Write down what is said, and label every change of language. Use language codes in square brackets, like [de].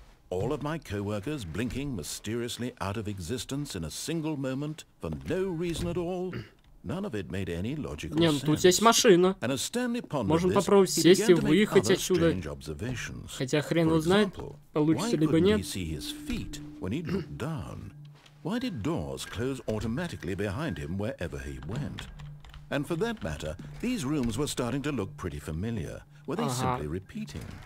[en] All of my coworkers blinking mysteriously out of existence in a single moment for no reason at all. None of it made any logical sense. [ru] Не, ну тут есть машина. Можем попробовать сесть и выехать отсюда. Хотя хрен его знает, получится либо нет. [en] Why couldn't he see his feet when he looked down? Why did doors close automatically behind him wherever he went? And for that matter, these rooms were starting to look pretty familiar. Were they simply repeating?